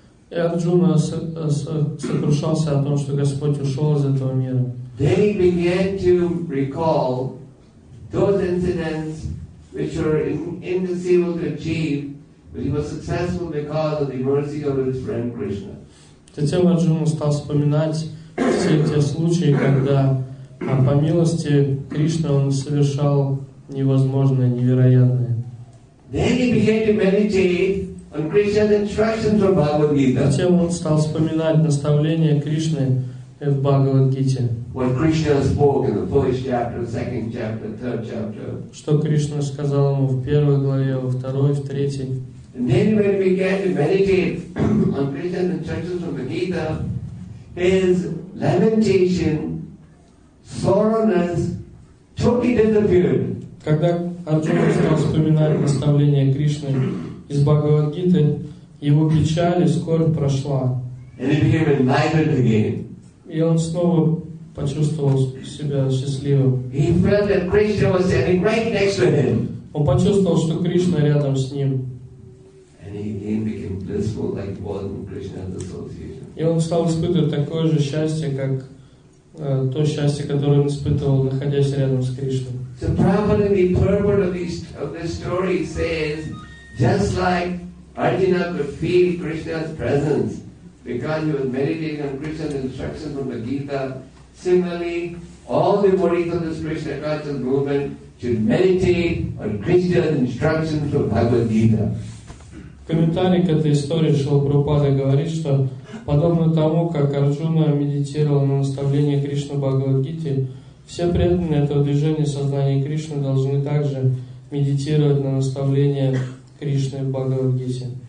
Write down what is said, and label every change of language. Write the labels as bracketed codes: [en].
[ru] И Арджуна сокрушался о том, что Господь ушел из этого мира. [en] Then he began to recall those incidents which were inconceivable to achieve, but he was successful because of the mercy of his friend Krishna. [ru] Затем Арджуна стал вспоминать все те случаи, когда по милости Кришны он совершал невозможное, невероятное. [en] Then he began to meditate on Krishna's instructions from Bhagavad Gita. [ru] Затем он стал вспоминать наставления Кришны в Бхагавад-гите. [en] What Krishna spoke in the first chapter, second chapter, third chapter. [ru] Что Кришна сказал ему в первой главе, во второй, в третьей. [en] And then when he began to meditate on Krishna's instructions from the Gita, his lamentation, sorrowness totally disappeared. [ru] Когда Арджуна стал вспоминать наставления Кришны из Бхагавад-гиты, его печаль и скорбь прошла. [en] And he became enlightened again. [ru] И он снова почувствовал себя счастливым. [en] He felt that Krishna was standing right next to him. [ru] Он почувствовал, что Кришна рядом с ним. [en] And he again became blissful like was in Krishna's association. [ru] И он стал испытывать такое же счастье, как то счастье, которое он испытывал, находясь рядом с Кришной. [en] So Prabhupada, the purport of this story says, just like Arjuna could feel Krishna's presence because he was meditating on Krishna's instructions from the Gita, similarly, all the devotees of this Krishna conscious movement should meditate on Krishna's instructions from Bhagavad Gita. [ru] комментарии к этой истории Шрила Прабхупада говорит, что подобно тому, как Арджуна медитировал на наставление Кришны Бхагавад-гите, все преданные этого движения сознания Кришны должны также медитировать на наставление Кришны в Бхагавад-гите.